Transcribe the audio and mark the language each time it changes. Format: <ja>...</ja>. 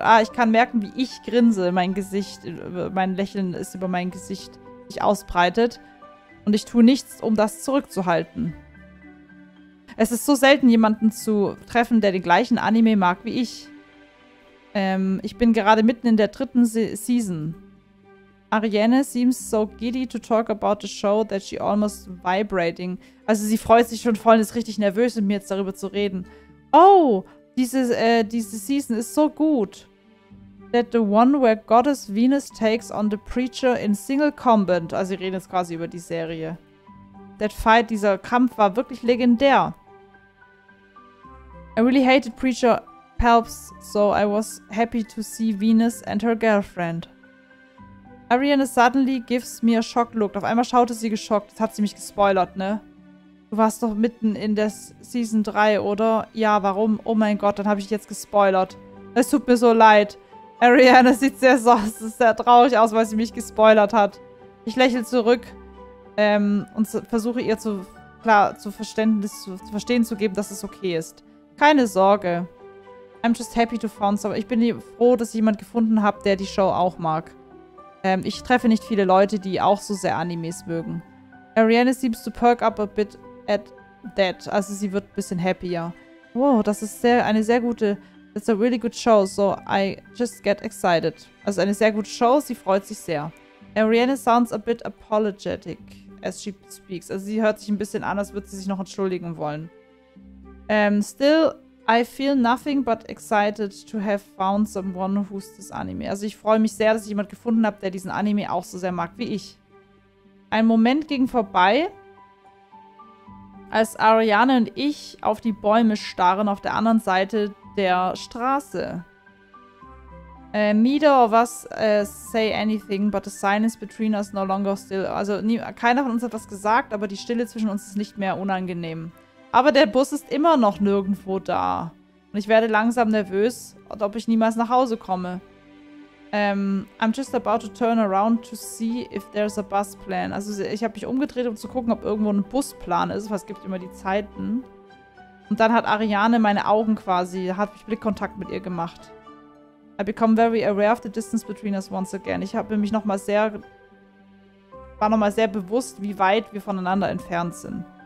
<de>Ah, ich kann merken, wie ich grinse. Mein Gesicht, mein Lächeln ist über mein Gesicht sich ausbreitet. Und ich tue nichts, um das zurückzuhalten. Es ist so selten, jemanden zu treffen, der den gleichen Anime mag wie ich. Ich bin gerade mitten in der dritten Season.</de> <en>Ariane seems so giddy to talk about the show that she almost vibrating.</en> <de>Also sie freut sich schon voll und ist richtig nervös, mit mir jetzt darüber zu reden. Oh, diese Season ist so gut.</de> <en>That the one where Goddess Venus takes on the preacher in single combat.</en> <de>Also sie reden jetzt quasi über die Serie.</de> <en>That fight,</en> <de>dieser Kampf war wirklich legendär.</de> <en>I really hated Preacher Helps, so I was happy to see Venus and her girlfriend. Ariane suddenly gives me a shock look.</en> <de>Auf einmal schaute sie geschockt. Das hat sie mich gespoilert, ne? Du warst doch mitten in der Season 3, oder? Ja, warum? Oh mein Gott, dann habe ich jetzt gespoilert. Es tut mir so leid. Ariane sieht sehr traurig aus, weil sie mich gespoilert hat. Ich lächle zurück und versuche ihr zu verstehen zu geben, dass es okay ist. Keine Sorge.</de> <en>I'm just happy to find someone.</en> <de>Ich bin froh, dass ich jemanden gefunden habe, der die Show auch mag. Ich treffe nicht viele Leute, die auch so sehr Animes mögen.</de> <en>Ariane seems to perk up a bit at that.</en> <de>Also sie wird ein bisschen happier. Wow, das ist</de> <en>that's a really good show, so I just get excited.</en> <de>Also eine sehr gute Show, sie freut sich sehr.</de> <en>Ariane sounds a bit apologetic as she speaks.</en> <de>Also sie hört sich ein bisschen an, als würde sie sich noch entschuldigen wollen.</de> <en>Still... I feel nothing but excited to have found someone who's this anime.</en> <de>Also ich freue mich sehr, dass ich jemanden gefunden habe, der diesen Anime auch so sehr mag wie ich. Ein Moment ging vorbei, als Ariane und ich auf die Bäume starren auf der anderen Seite der Straße.</de> <en>Neither of us say anything, but the silence between us no longer still.</en> <de>Also keiner von uns hat was gesagt, aber die Stille zwischen uns ist nicht mehr unangenehm. Aber der Bus ist immer noch nirgendwo da. Und ich werde langsam nervös, ob ich niemals nach Hause komme.</de> <en>I'm just about to turn around to see if there's a bus plan.</en> <de>Also ich habe mich umgedreht, um zu gucken, ob irgendwo ein Busplan ist. Was gibt immer die Zeiten. Und dann hat Ariane meine Augen quasi, hat mich Blickkontakt mit ihr gemacht.</de> <en>I become very aware of the distance between us once again.</en> <de>Ich habe mich nochmal sehr, war nochmal sehr bewusst, wie weit wir voneinander entfernt sind.</de>